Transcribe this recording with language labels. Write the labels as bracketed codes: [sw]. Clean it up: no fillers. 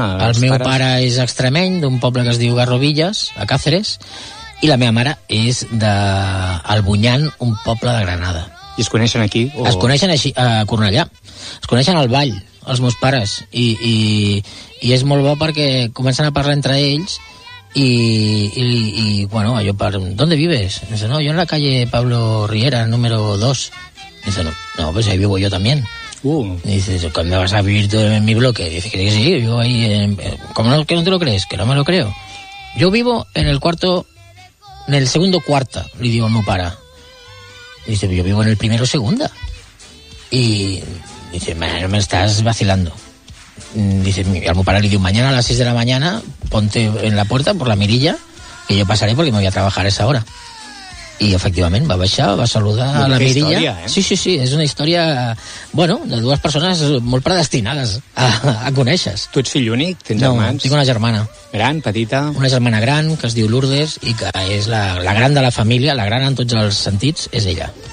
[ca] El meu pare és extremeny, d'un poble que es diu Garrovillas, a Càceres, i la meva mare és d'Albunyan, un poble de Granada. I es coneixen aquí? O... Es coneixen així, a Cornellà. Es coneixen al ball, els meus pares, i és molt bo perquè comencen a parlar entre ells i bueno, jo parlo, [es] ¿dónde vives? I dice, no, yo en la calle Pablo Riera, número 2. Dice, no, pues ahí vivo yo también. Dice, ¿cuándo vas a vivir tú en mi bloque? Dice, que sí, vivo ahí. ¿Cómo no, que no te lo crees? Que no me lo creo. Yo vivo en el segundo cuarto, le digo a mi para. Dice, yo vivo en el primero o segunda. Y dice, no me estás vacilando. Dice, a mi para le digo, mañana a las 6 de la mañana, ponte en la puerta por la mirilla, que yo pasaré porque me voy a trabajar a esa hora. [ca] I efectivament va baixar, va saludar a la mirilla. Història, eh? Sí, és una història, bueno, de dues persones molt predestinades a conèixer. Tu ets fill únic? Tens germans? No, tinc una germana. Gran, petita? Una germana gran, que es diu Lourdes, i que és la gran de la família, la gran en tots els sentits, és ella.